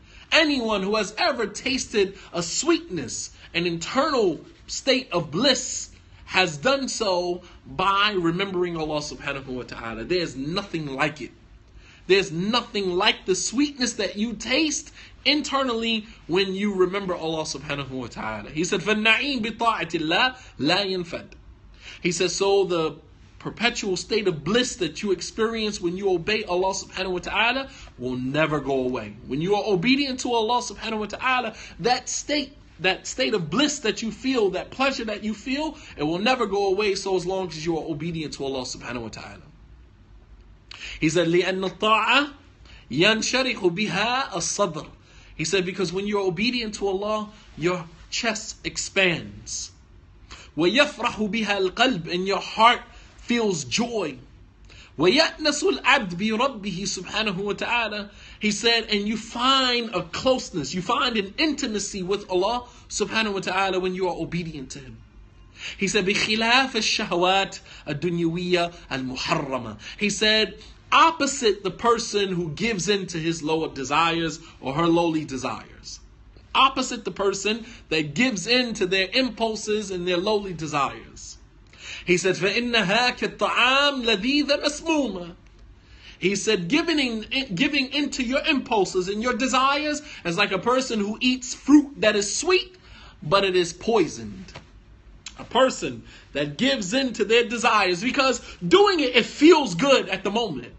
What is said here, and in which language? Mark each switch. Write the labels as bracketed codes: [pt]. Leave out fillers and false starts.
[en] Anyone who has ever tasted a sweetness, an internal state of bliss, has done so by remembering Allah subhanahu wa ta'ala. There's nothing like it. There's nothing like the sweetness that you taste internally when you remember Allah subhanahu wa ta'ala. He said, [ar] فَالنَّعِيمِ بِطَاعَةِ اللَّهِ لَا يَنْفَدْ. [en] He says, so the perpetual state of bliss that you experience when you obey Allah subhanahu wa ta'ala will never go away. When you are obedient to Allah subhanahu wa ta'ala, that state of bliss that you feel, that pleasure that you feel, it will never go away so as long as you are obedient to Allah subhanahu wa ta'ala. He said, [ar] لِأَنَّ الطَّاعَةَ يَنْشَرِحُ بِهَا الصَّدْرِ. [en] He said, because when you're obedient to Allah, your chest expands. [ar] وَيَفْرَحُ بِهَا الْقَلْبِ, [en] and your heart feels joy. [ar] وَيَأْنَسُ الْعَبْدِ بِرَبِّهِ سُبْحَانَهُ وَتَعَالَى. [en] He said, and you find a closeness, you find an intimacy with Allah subhanahu wa ta'ala when you are obedient to Him. He said, [ar] بِخِلَافَ الشَّهَوَاتِ الدُّنْيَوِيَّةِ الْمُحَرَّمَةِ. [en] He said, opposite the person who gives in to his lower desires or her lowly desires. Opposite the person that gives in to their impulses and their lowly desires. He said, [ar] فَإِنَّهَا كَالطَّعَامِ لَذِيذَ مَسْمُومَ. [en] He said, giving in to your impulses and your desires is like a person who eats fruit that is sweet, but it is poisoned. A person that gives in to their desires, because doing it, it feels good at the moment.